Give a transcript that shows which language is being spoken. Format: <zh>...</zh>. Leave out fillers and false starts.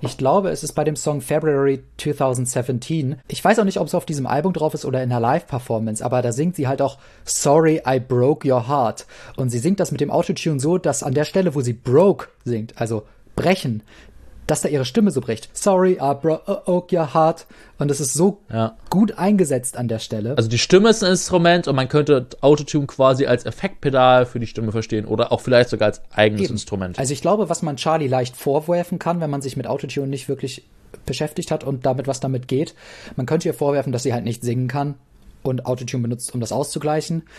<de>Ich glaube, es ist bei dem Song February 2017. Ich weiß auch nicht, ob es auf diesem Album drauf ist oder in der Live-Performance, aber da singt sie halt auch</de> <en>Sorry, I broke your heart.</en> <de>Und sie singt das mit dem Autotune so, dass an der Stelle, wo sie broke singt, also brechen, dass da ihre Stimme so bricht.</de> <en>Sorry, I broke your heart.</en> <de>Und das ist so Ja. gut eingesetzt an der Stelle. Also die Stimme ist ein Instrument und man könnte Autotune quasi als Effektpedal für die Stimme verstehen oder auch vielleicht sogar als eigenes Eben. Instrument. Also ich glaube, was man Charlie leicht vorwerfen kann, wenn man sich mit Autotune nicht wirklich beschäftigt hat und damit, was damit geht, man könnte ihr vorwerfen, dass sie halt nicht singen kann und Autotune benutzt, um das auszugleichen.</de>